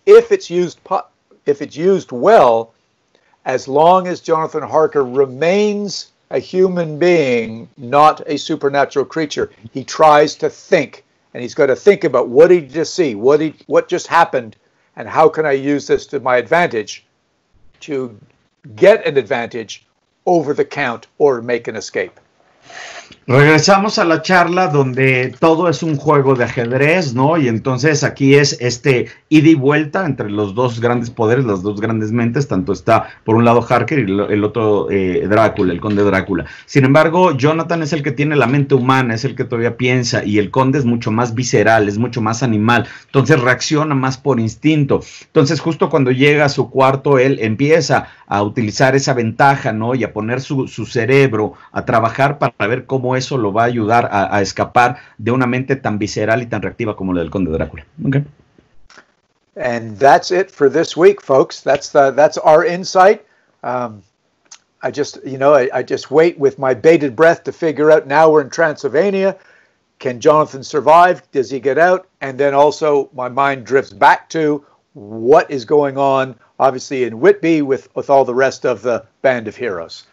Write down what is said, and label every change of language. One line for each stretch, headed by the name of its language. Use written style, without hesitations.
English: If it's used well, as long as Jonathan Harker remains a human being, not a supernatural creature, he tries to think. And he's got to think about what he just see, what just happened, and how can I use this to my advantage to get an advantage over the count or make an escape.
Spanish: Regresamos a la charla donde todo es un juego de ajedrez, ¿no? Y entonces aquí es este ida y vuelta entre los dos grandes poderes, las dos grandes mentes, tanto está por un lado Harker y el otro Drácula, el conde Drácula. Sin embargo, Jonathan es el que tiene la mente humana, es el que todavía piensa, y el conde es mucho más visceral, es mucho más animal, entonces reacciona más por instinto. Entonces justo cuando llega a su cuarto, él empieza a utilizar esa ventaja, ¿no? Y a poner su cerebro a trabajar para ver cómo eso lo va a ayudar a escapar de una mente tan visceral y tan reactiva como la del conde Drácula. Okay.
English: And that's it for this week, folks. That's our insight. I just wait with my bated breath to figure out, now we're in Transylvania, can Jonathan survive? Does he get out? And then also my mind drifts back to what is going on, obviously, in Whitby with all the rest of the band of heroes.